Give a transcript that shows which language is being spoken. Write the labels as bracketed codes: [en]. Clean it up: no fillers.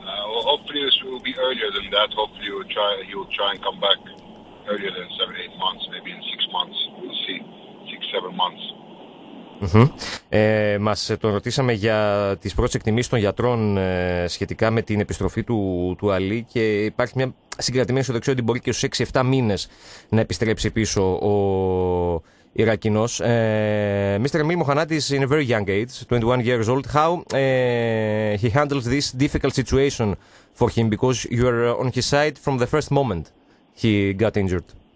[en] Well, hopefully this will be earlier than that. Hopefully he will try and come back earlier than 7-8 months, maybe in 6 months. We'll see. 6-7 months. Mm-hmm. [el] Μας τον ρωτήσαμε για τις πρώτες εκτιμήσεις των γιατρών σχετικά με την επιστροφή του Αλί, και υπάρχει μια συγκρατημένη αισιοδοξία ότι μπορεί και στους 6-7 μήνες να επιστρέψει πίσω ο Ιρακινός. [en] Mr. Emil Mohanad is in a very young age, 21 years old. How he handles this difficult situation for him, because you are on his side from the first moment he got injured?